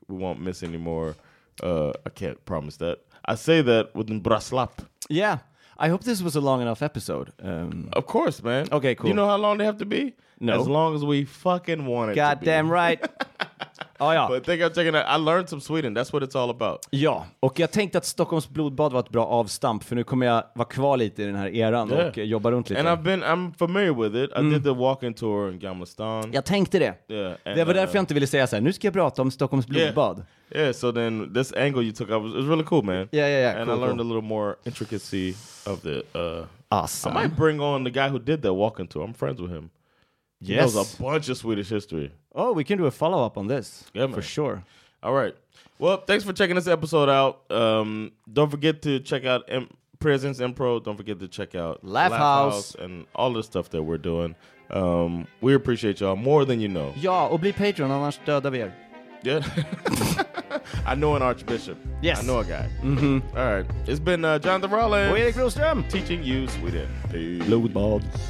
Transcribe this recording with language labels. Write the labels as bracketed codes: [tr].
[en] We won't miss any more. I can't promise that. I say that with Braslap. Yeah. I hope this was a long enough episode. Of course, man. Okay, cool. You know how long they have to be? No. As long as we fucking want it God to God damn be. Right. Oh, yeah. But thank you for checking out. I learned some Sweden. That's what it's all about. [sv] Ja, och jag tänkte att Stockholms blodbad var ett bra avstamp, för nu kommer jag vara kvar lite i den här eran yeah. och jobba runt lite. [en] And I'm familiar with it. I did the walking tour in Gamla stan. [sv] Jag tänkte det. [en] Yeah. [sv] And, det var därför jag inte ville säga så här, nu ska jag prata om Stockholms blodbad. [en] Yeah, so then this angle you took, it was really cool, man. Yeah. And cool, I learned cool. a little more intricacy of the... awesome. I might bring on the guy who did the walking tour. I'm friends with him. Yes. He knows a bunch of Swedish history. Oh, we can do a follow-up on this. Yeah, man. For sure. All right. Well, thanks for checking this episode out. Don't forget to check out Presence Impro. Don't forget to check out Laugh House. And all the stuff that we're doing. We appreciate y'all more than you know. [sv] Ja, och bli patron, annars dödar vi er. [en] Yeah. I know an archbishop. Yes. I know a guy. Mm-hmm. All right. It's been Jonathan Rollins. [sv] Och Erik Rostrum. [en] Teaching you Sweden. Peace. Blood bald.